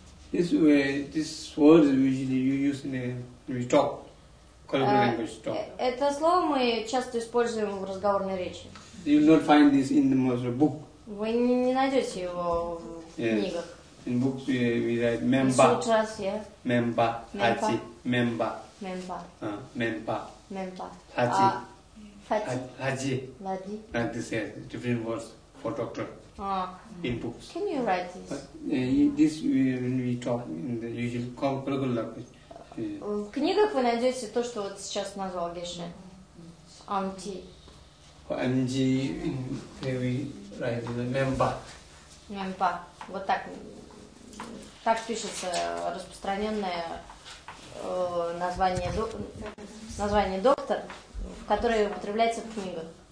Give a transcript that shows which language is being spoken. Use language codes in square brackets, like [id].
[en] This way, this word is usually you use in a talk. Colloquial language talk. [ru] Это слово мы часто используем в разговорной речи. [en] You will not find this in the Moser book. [ru] Вы не найдете его в книгах. [en] In books we write memba. In sutras, yeah. Memba. Ati. Memba. Memba. Memba. Memba. Ati. Fati. Haji. Ladi. Like this, yes. Different words for doctor. In books. Can you write this? This when we talk in the usual colloquial language. [ru] В книгах вы найдете то, что вот сейчас назвал Геше. Анти. [en] MG in very right the member. [ru] Member. Вот так. Так пишется распространенное название название доктор, в которое употребляется в книгах.